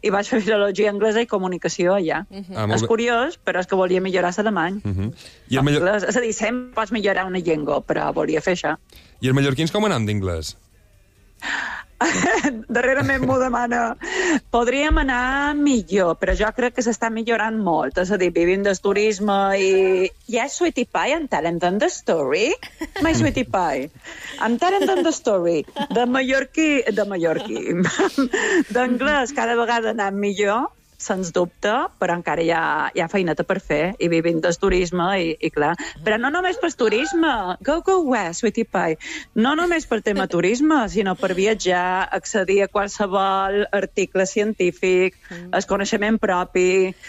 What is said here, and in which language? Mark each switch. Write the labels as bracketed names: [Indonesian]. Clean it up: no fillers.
[Catalan] I vaig fer filologia anglesa i comunicació allà. És curiós, però és que volia millorar l'alemany. És a dir, sempre pots millorar una llengua, però volia fer això. I els mallorquins com anant d'inglès? Darrerament m'ho demana. Podríem anar millor, però jo crec que s'està millorant molt. És a dir, vivim del turisme i... [English] Yes, sweetie pie, I'm telling them the story. My sweetie pie. I'm telling them the story. [Catalan] De mallorquí... De mallorquí. D'anglès cada vegada anar millor, sens dubte, però encara hi ha feineta per fer i vivim del turisme i clar. Però no només per turisme. [English] Go, go west, sweetie pie. [Catalan] No només per tema turisme, sinó per viatjar, accedir a qualsevol article científic, el coneixement propi.